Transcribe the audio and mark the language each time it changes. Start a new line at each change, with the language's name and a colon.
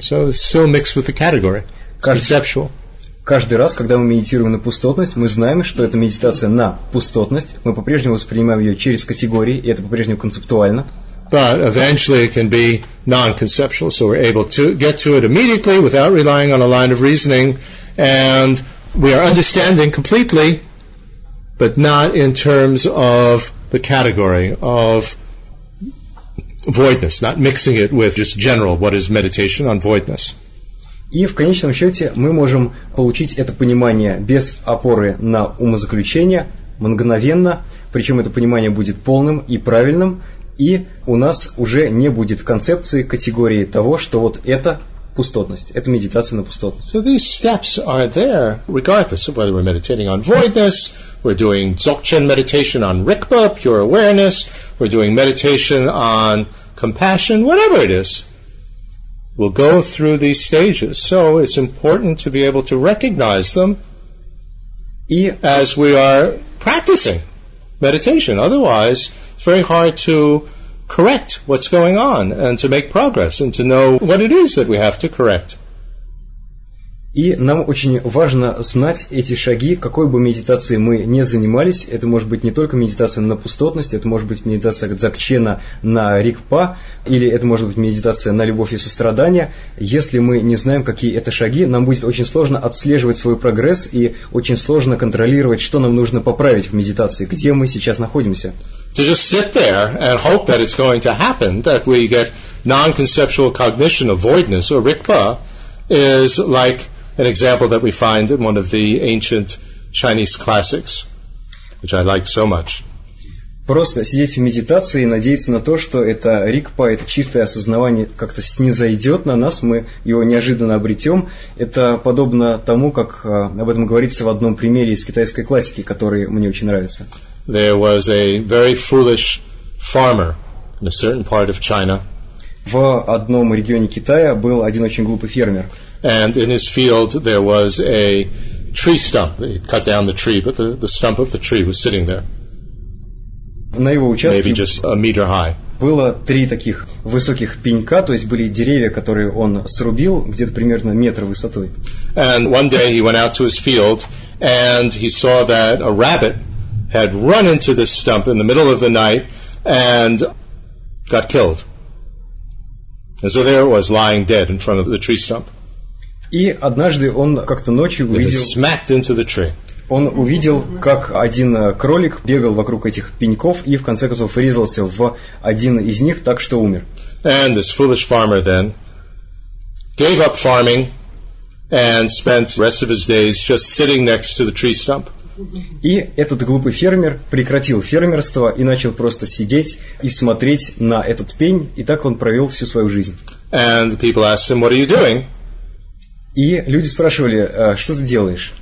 English: So it's still mixed with the category. It's conceptual.
Russian: Каждый раз, когда мы медитируем на пустотность, мы знаем, что это медитация на пустотность. Мы по-прежнему воспринимаем ее через категории, и это по-прежнему концептуально.
English: But eventually it can be non-conceptual, so we're able to get to it immediately without relying on a line of reasoning, and we are understanding completely, but not in terms of the category of voidness, not mixing it with just general, what is meditation on voidness.
Russian: И в конечном счете мы можем получить это понимание без опоры на умозаключения, мгновенно, причем это понимание будет полным и правильным, и у нас уже не будет концепции, категории того, что вот это пустотность, это медитация на пустотность.
English: So these steps are there, regardless of whether we're meditating on voidness, we're doing Dzogchen meditation on Rigpa, pure awareness, we're doing meditation on compassion, whatever it is. will go through these stages. So it's important to be able to recognize them as we are practicing meditation. Otherwise, it's very hard to correct what's going on and to make progress and to know what it is that we have to correct.
Russian: И нам очень важно знать эти шаги, какой бы медитацией мы не занимались. Это может быть не только медитация на пустотность, это может быть медитация дзакчена на рикпа, или это может быть медитация на любовь и сострадание. Если мы не знаем, какие это шаги, нам будет очень сложно отслеживать свой прогресс и очень сложно контролировать, что нам нужно поправить в медитации, где мы сейчас находимся.
English: To just sit there and hope that it's going to happen, that we get non-conceptual cognition, avoidance, or rikpa, is like an example that we find in one of the ancient Chinese classics, which I like so much.
Russian: Просто сидеть в медитации и надеяться на то, что это рикпа, это чистое осознавание как-то снизойдет на нас, мы его неожиданно обретем. Это подобно тому, как об этом говорится в одном примере из китайской классики, который мне очень нравится.
English: There was a very foolish farmer in a certain part of China.
Russian: В одном регионе Китая был один очень глупый фермер.
English: And in his field there was a tree stump. He cut down the tree, but the stump of the tree was sitting there.
Russian: На его участке
English: maybe just a meter high.
Russian: Было три таких высоких пенька, то есть были деревья, которые он срубил, где-то примерно метр высотой.
English: And one day he went out to his field and he saw that a rabbit had run into this stump in the middle of the night and got killed. And so there it was, lying dead in front of the tree stump.
Russian: И однажды он как-то ночью увидел...
English: It smacked into the tree.
Russian: Он увидел, как один кролик бегал вокруг этих пеньков и в конце концов врезался в один из них, так что умер.
English: And this foolish farmer then gave up farming and spent the rest of his days just sitting next to the tree stump.
Russian: И этот глупый фермер прекратил фермерство и начал просто сидеть и смотреть на этот пень, и так он провел всю свою жизнь.
English: And people asked him, what are you doing?
Russian: И люди спрашивали, что ты делаешь?